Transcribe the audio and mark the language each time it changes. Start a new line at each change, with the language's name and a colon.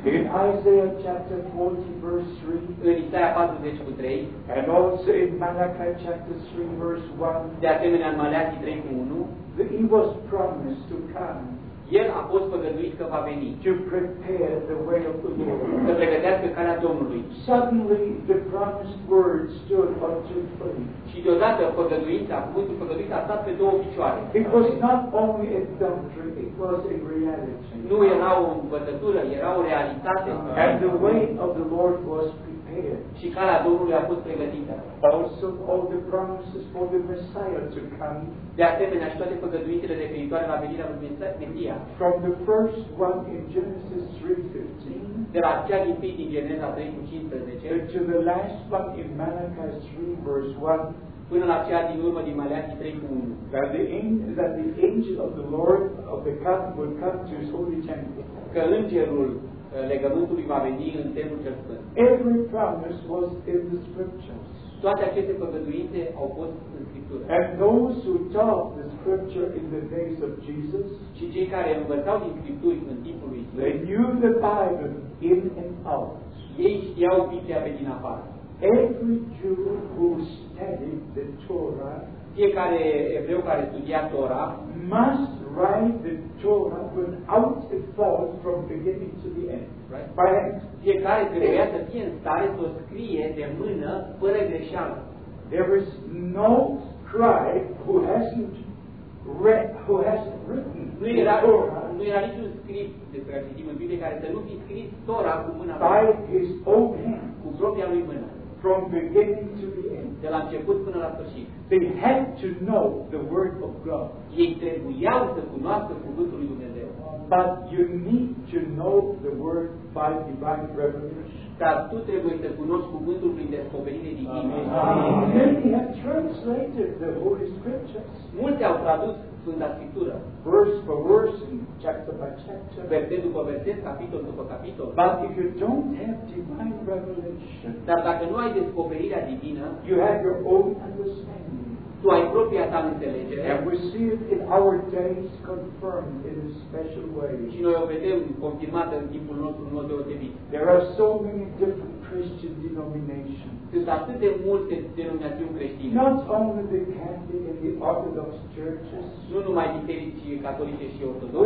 English: In Isaiah chapter 40 verse 3.
Romanian: În Isaia 40:3.
English: And also in Malachi chapter 3 verse 1.
Romanian: De asemenea în Maleachi 3:1.
English: That he was promised to come.
Romanian: El a fost făgăduit că va veni.
English: To prepare the way of the Lord.
Romanian: Să pregătească calea Domnului.
English: Suddenly the promised word stood on two feet.
Romanian: Și deodată făgăduința, cuvântul făgăduit a stat pe două picioare.
English: It was not only a doctrine, it was a reality.
Romanian: Nu era o învățătură, era o realitate.
English: And the way of the Lord was prepared.
Romanian: Și calea Domnului a fost pregătită.
English: Also all the promises for the Messiah to come.
Romanian: De asemenea, și toate făgăduințele referitoare la venirea lui Mesia.
English: From the first one in Genesis 3:15.
Romanian: De la cea din tâi din Geneza 3:15.
English: To the last one in Malachi 3 verse 1.
Romanian: Până la cea din urmă din Maleachi 3:1.
English: That the angel of the Lord of the covenant will come to his holy temple.
Romanian: Că îngerul legământului va veni în templul cel sfânt.
English: Every promise was in the scriptures.
Romanian: Toate aceste făgăduințe au fost în Scriptură.
English: And those who taught the Scripture in the days of Jesus,
Romanian: și cei care învățau din Scripturi în timpul lui Isus,
English: they knew the Bible in and out.
Romanian: Ei știau Biblia pe din afară.
English: Every Jew who studied the Torah,
Romanian: fiecare evreu care studia Tora,
English: must write the Torah without a fault from beginning to the end. Right.
Romanian: Fiecare trebuia să fie în stare să o scrie de mână fără greșeală.
English: There is no scribe who hasn't read, who hasn't written.
Romanian: Nu era Torah. Nu era niciun scrip de pe care citim în Biblie care să nu fi scris Torah cu mâna lui.
English: By his own hand.
Romanian: Cu propria lui mână.
English: From beginning to the end.
Romanian: De la început până la sfârșit.
English: They had to know the word of God.
Romanian: Ei trebuiau să cunoască cuvântul lui Dumnezeu.
English: But you need to know the word by divine revelation.
Romanian: Dar tu trebuie să cunoști cuvântul prin descoperire divină.
English: Many have translated the Holy Scriptures.
Romanian: Mulți au tradus Sfânta Scriptură.
English: Verse for verse and chapter by chapter.
Romanian: Verset după verset, capitol după capitol.
English: But if you don't have divine revelation,
Romanian: dar dacă nu ai descoperirea divină,
English: you have your own understanding.
Romanian: tu ai propria ta înțelegere.
English: And we see it in our days confirmed in a special way.
Romanian: Și noi o vedem confirmată în timpul nostru în mod deosebit.
English: There are so many different Christian denominations.
Romanian: Sunt atât de multe denominațiuni creștine.
English: Not only the Catholic and the Orthodox churches.
Romanian: Nu numai bisericii catolice și ortodoxe.